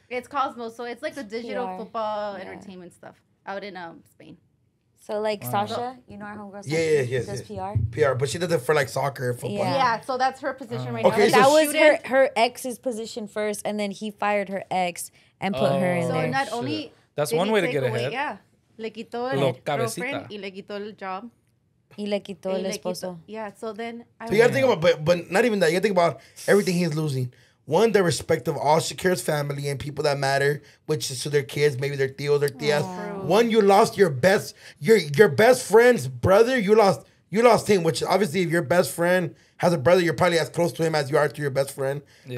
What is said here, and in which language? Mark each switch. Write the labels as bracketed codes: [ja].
[en] It's Cosmos. So it's like a digital football entertainment stuff out in Spain. So like Sasha, you know our homegirl Sasha? Yeah, she does PR. PR, but she does it for like soccer, football. Yeah, so that's her position right now. Okay, but that was her ex's position first, and then he fired her ex and put her in so there. So not only that's one way to get ahead. Away, yeah. [es] Le quitó el girlfriend y le quitó el job. Y le quitó el esposo. [en] Yeah, so then... But not even that. You got to think about everything he's losing. One, the respect of all Shakira's family and people that matter, which is to their kids, maybe their tios, their tias. One, you lost your best friend's brother. You lost him, which obviously if your best friend has a brother, you're probably as close to him as you are to your best friend. Yeah.